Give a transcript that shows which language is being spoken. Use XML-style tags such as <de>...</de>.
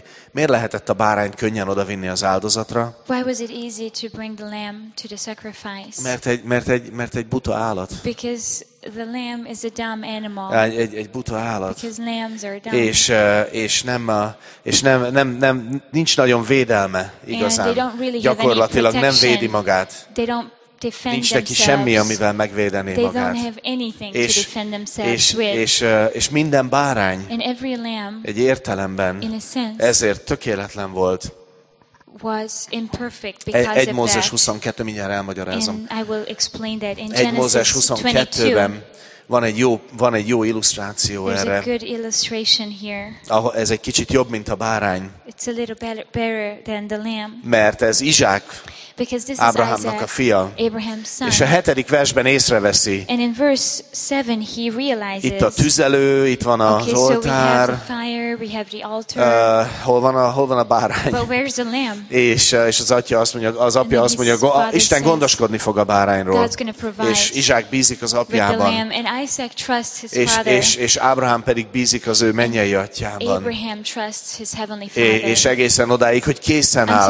<hu>Miért lehetett a bárányt könnyen odavinni az áldozatra?</hu> <en>Why was it easy to bring the lamb to the sacrifice?</en> <hu>Mert egy buta állat.</hu> <en>Because the lamb is a dumb animal.</en> <hu>Egy buta állat.</hu> <en>Because lambs are dumb.</en> <hu>És nem nincs nagyon védelme igazán.</hu> <en>And they don't really</en> <hu>gyakorlatilag</hu> <en>have any protection.</en> <hu>Nem védi magát.</hu> <en>They don't defend themselves.</en> <hu>Nincs neki semmi, amivel megvédené magát.</hu> <en>They don't have anything to defend themselves with.</en> <hu>És minden bárány</hu> <en>and every lamb,</en> <hu>egy értelemben</hu> <en>in a sense,</en> <hu>ezért tökéletlen volt.</hu> <en>Was imperfect because of that.</en> <hu>1 Mózes 22, mindjárt elmagyarázom.</hu> <en>And I will explain that in Genesis 22.</en> <hu>22-ben van egy jó illusztráció erre.</hu> <en>There's a good illustration here.</en> <hu>Ez egy kicsit jobb, mint a bárány.</hu> <en>It's a little better than the lamb.</en> <hu>Mert ez Izsák, Ábrahámnak a fia, és a 7. versben észreveszi.</hu> <en>And in verse 7 he realizes.</en> <hu>Itt a tüzelő, itt van az oltár.</hu> <en>So we have the fire, we have the altar.</en> <hu>Hol van a bárány?</hu> <en>But where's the lamb?</en> <hu>És az atya azt mondja, az apja azt mondja, Isten gondoskodni fog a bárányról.</hu> <en>God's gonna provide.</en> <hu>És Izsák bízik az apjában.</hu> <en>With the lamb, and Isaac trusts his</en> <hu>és Ábrahám pedig bízik az ő mennyei atyában.</hu> <en>Abraham trusts his heavenly father.</en> <hu>És egészen odáig, hogy készen áll.</hu>